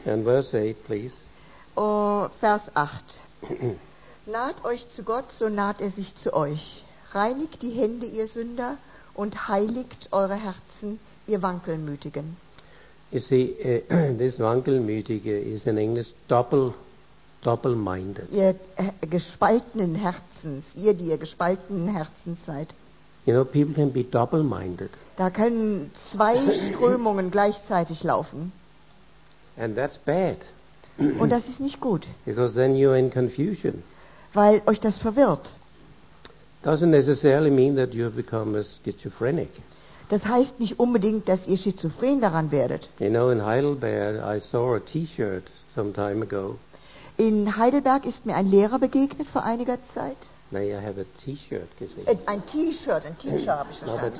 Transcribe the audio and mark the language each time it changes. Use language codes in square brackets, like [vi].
[en] And verse 8, please. [de] Vers 8. Naht euch zu Gott, so naht er sich zu euch. Reinigt die Hände, ihr Sünder, und heiligt eure Herzen, ihr Wankelmütigen. [en] You see, this wankelmütige is in English double-minded. [de] Ihr gespaltenen Herzens, ihr, die ihr gespaltenen Herzens seid. [en] You know, people can be double-minded. [de] Da können zwei Strömungen gleichzeitig laufen. [en] And that's bad. [de] Und das ist nicht gut. [en] Because then you're in confusion. [de] Weil euch das verwirrt. [en] Doesn't necessarily mean that you become a schizophrenic. [de] Das heißt nicht unbedingt, dass ihr schizophren daran werdet. [en] You know, in Heidelberg, I saw a T-shirt some time ago. [de] In Heidelberg ist mir ein Lehrer begegnet vor einiger Zeit. [en] Nee, I have a T-shirt [de] gesehen. Ein T-Shirt, ein Teacher habe ich verstanden.